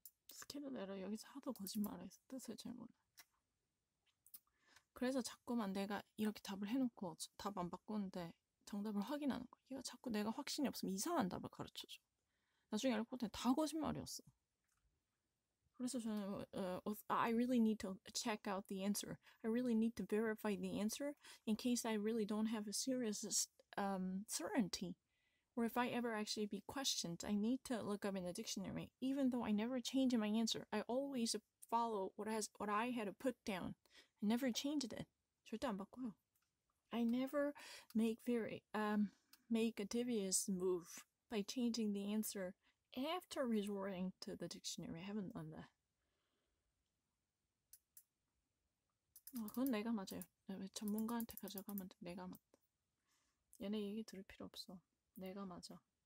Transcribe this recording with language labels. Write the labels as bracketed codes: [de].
[ko] 스킬을 내려 여기서 하도 거짓말해서 뜻을 잘 몰라. 그래서 자꾸만 내가 이렇게 답을 해놓고 답안 바꾸는데 정답을 확인하는 거야. 이거 자꾸 내가 확신이 없으면 이상한 답을 가르쳐줘. 나중에 알고 보니 다 거짓말이었어. 그래서 저는 [en] I really need to check out the answer. I really need to verify the answer in case I really don't have a serious certainty. Or if I ever actually be questioned, I need to look up in the dictionary. Even though I never change my answer, I always follow what I had to put down. I never changed it. [ko] 절대 안 바꿔요. [en] I never make a devious move by changing the answer after resorting to the dictionary. I haven't done that. [ko] 아, 그건 내가 맞아요. 전문가한테 가져가면 내가 맞다. 얘네 얘기 들을 필요 없어. 내가 맞아.